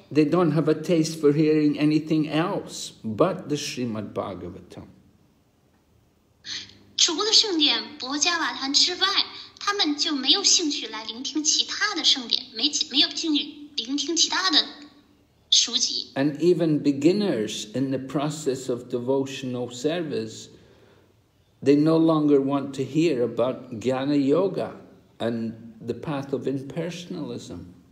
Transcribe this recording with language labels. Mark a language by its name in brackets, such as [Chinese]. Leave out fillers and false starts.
[English] They don't have a taste for hearing anything else but the Srimad Bhagavatam. [Chinese] 除了圣典波迦瓦檀之外，他们就没有兴趣来聆听其他的圣典，没有兴趣聆听其他的书籍。 [English] And even beginners in the process of devotional service, they no longer want to hear about Jnana Yoga and the path of impersonalism.